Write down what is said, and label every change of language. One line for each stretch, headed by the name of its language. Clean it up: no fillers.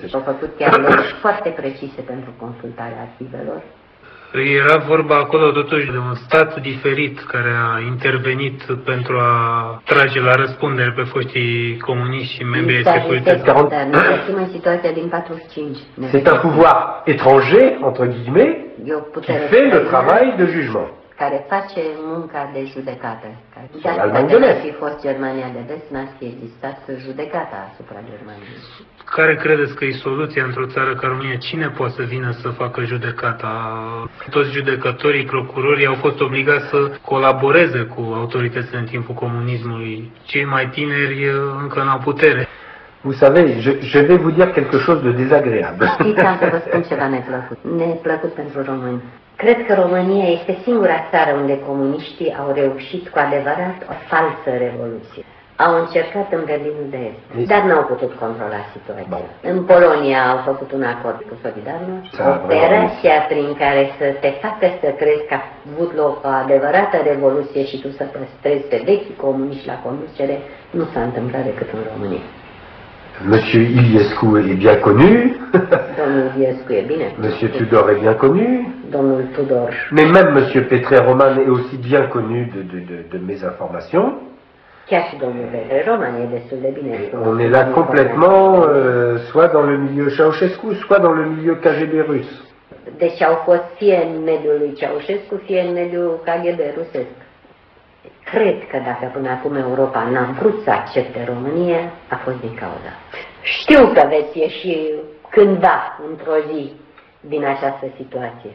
Romanian: S-au făcut chiar legi foarte precise pentru consultarea arhivelor. Era vorba acolo totuși de un stat diferit care a intervenit pentru a trage la răspundere pe foștii comuniști și membrii securității. Ne găsim în situația din 45.
French: C'est un pouvoir étranger, entre guillemets, qui fait le travail de jugement.
Romanian: Care face munca de judecată. Dacă n-ar fi fost Germania de Vest, n-ar fi existat judecata asupra Germaniei. Care credeți că e soluția într-o țară ca România? Cine poate să vină să facă judecata? Toți judecătorii, procurorii au fost obligați să colaboreze cu autoritățile în timpul comunismului. Cei mai tineri încă n-au putere.
French: Vous savez, je vais vous dire quelque chose de désagréable.
Romanian: Știți, am să vă spun ceva neplăcut. Neplăcut pentru români. Cred că România este singura țară unde comuniștii au reușit cu adevărat o falsă revoluție. Au încercat în Berlinul de Est, dar n-au putut controla situația. În Polonia au făcut un acord cu Solidarność, operația prin care să te facă să crezi că a avut loc o adevărată revoluție și tu să păstrezi pe vechi comuniști la conducere, nu s-a întâmplat decât în România.
French: Monsieur Iliescu est bien connu.
Romanian: Domnul Iliescu e bine.
French: Monsieur Tudor est bien connu.
Romanian: Domnul Tudor.
French: Mais même Monsieur Petre Roman est aussi bien connu de mes informations.
Romanian: Chiar și domnul Petre Roman e destul de bine.
French: On est là complètement soit dans le milieu Ceaușescu, soit dans le milieu KGB russe.
Romanian: Deci au fost fie în mediul lui Ceaușescu, fie în mediul KGB rusesc. Cred că dacă până acum Europa n-a vrut să accepte România, a fost din cauza. Știu că veți ieși cândva, într-o zi, din această situație.